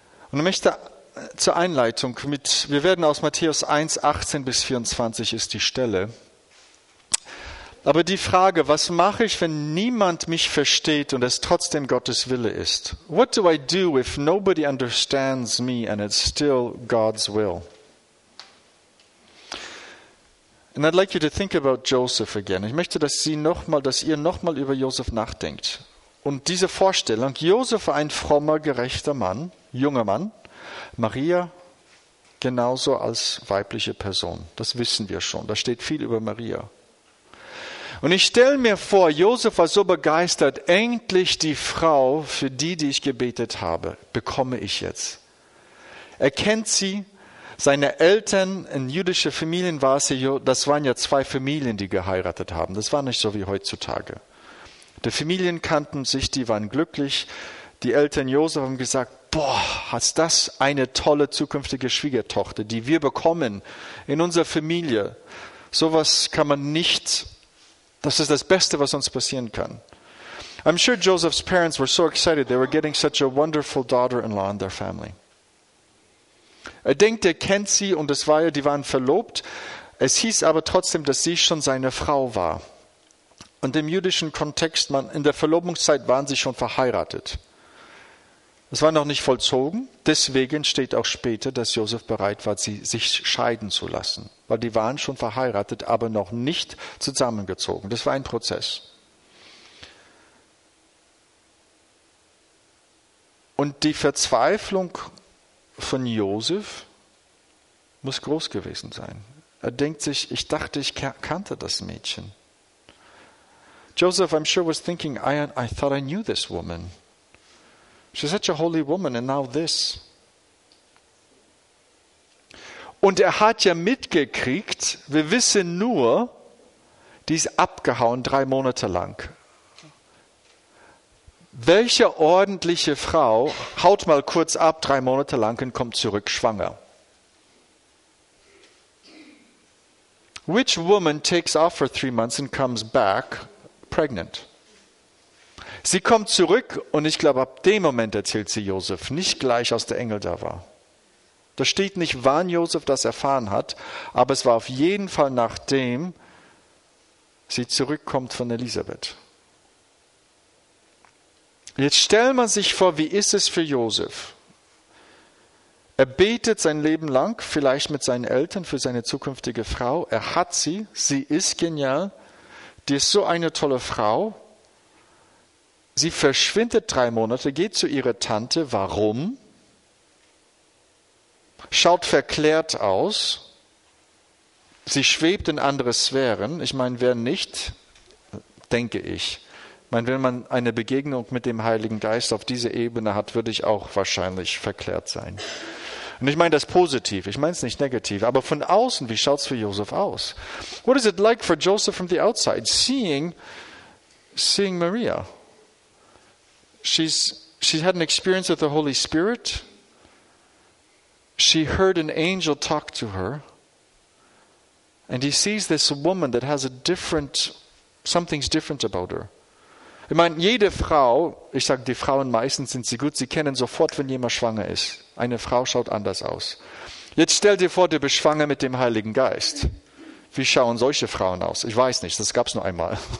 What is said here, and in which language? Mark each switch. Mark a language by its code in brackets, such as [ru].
[de] Und ich möchte zur Einleitung mit, wir werden aus Matthäus 1, 18 bis 24 ist die Stelle. Aber die Frage, was mache ich, wenn niemand mich versteht und es trotzdem Gottes Wille ist? [en] What do I do if nobody understands me and it's still God's will? And I'd like you to think about Joseph again. [de] Ich möchte, dass Sie nochmal, dass ihr nochmal über Joseph nachdenkt. Und diese Vorstellung, Joseph war ein frommer, gerechter Mann, junger Mann, Maria genauso als weibliche Person. Das wissen wir schon. Da steht viel über Maria. Und ich stelle mir vor, Josef war so begeistert, endlich die Frau, für die ich gebetet habe, bekomme ich jetzt. Er kennt sie, seine Eltern, in jüdischer Familien war es, das waren ja zwei Familien, die geheiratet haben. Das war nicht so wie heutzutage. Die Familien kannten sich, die waren glücklich. Die Eltern Josef haben gesagt, boah, hast das eine tolle zukünftige Schwiegertochter, die wir bekommen in unserer Familie. Sowas kann man nicht. Das ist das Beste, was uns passieren kann. [en] I'm sure Joseph's parents were so excited. They were getting such a wonderful daughter-in-law in their family. [de] Er denkt, er kennt sie und es war ja, die waren verlobt. Es hieß aber trotzdem, dass sie schon seine Frau war. Und im jüdischen Kontext, in der Verlobungszeit waren sie schon verheiratet. Es war noch nicht vollzogen. Deswegen steht auch später, dass Joseph bereit war, sie sich scheiden zu lassen. Weil die waren schon verheiratet, aber noch nicht zusammengezogen. Das war ein Prozess. Und die Verzweiflung von Josef muss groß gewesen sein. Er denkt sich, ich dachte, ich kannte das Mädchen. [en] Joseph, I'm sure, was thinking, I thought I knew this woman. She's such a holy woman and now this. [de] Und er hat ja mitgekriegt, wir wissen nur, die ist abgehauen 3 Monate lang. Welche ordentliche Frau haut mal kurz ab 3 Monate lang und kommt zurück schwanger? [en] Which woman takes off for 3 months and comes back pregnant? [de] Sie kommt zurück und ich glaube, ab dem Moment erzählt sie Josef, nicht gleich, als der Engel da war. Da steht nicht, wann Josef das erfahren hat, aber es war auf jeden Fall, nachdem sie zurückkommt von Elisabeth. Jetzt stellt man sich vor, wie ist es für Josef? Er betet sein Leben lang, vielleicht mit seinen Eltern, für seine zukünftige Frau. Er hat sie, sie ist genial, die ist so eine tolle Frau. Sie verschwindet 3 Monate, geht zu ihrer Tante, warum? Schaut verklärt aus, sie schwebt in andere Sphären. Ich meine, wer nicht, denke ich. Ich meine, wenn man eine Begegnung mit dem Heiligen Geist auf dieser Ebene hat, würde ich auch wahrscheinlich verklärt sein. Und ich meine das positiv, ich meine es nicht negativ, aber von außen, wie schaut es für Josef aus? [en] What is it like for Joseph from the outside, seeing Maria? She had an experience with the Holy Spirit. She heard an angel talk to her. And he sees this woman that has a different, something's different about her. [de] Ich meine, jede Frau, ich sage, die Frauen meistens sind sie gut, sie kennen sofort, wenn jemand schwanger ist. Eine Frau schaut anders aus. Jetzt stell dir vor, du bist schwanger mit dem Heiligen Geist. Wie schauen solche Frauen aus? Ich weiß nicht, das gab es nur einmal.